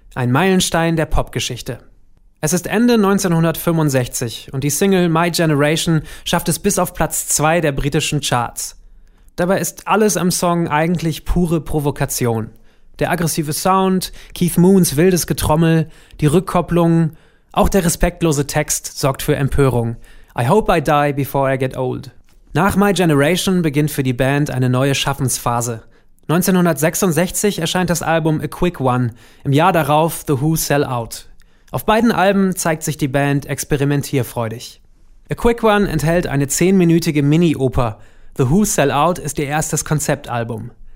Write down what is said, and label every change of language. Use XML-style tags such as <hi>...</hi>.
<de>Ein Meilenstein der Popgeschichte. Es ist Ende 1965 und die Single My Generation schafft es bis auf Platz 2 der britischen Charts. Dabei ist alles am Song eigentlich pure Provokation. Der aggressive Sound, Keith Moons wildes Getrommel, die Rückkopplung, auch der respektlose Text sorgt für Empörung.</de> <en>I hope I die before I get old.</en> <de>Nach My Generation beginnt für die Band eine neue Schaffensphase. 1966 erscheint das Album A Quick One, im Jahr darauf The Who Sell Out. Auf beiden Alben zeigt sich die Band experimentierfreudig. A Quick One enthält eine 10-minütige Mini-Oper. The Who Sell Out ist ihr erstes Konzeptalbum.</de>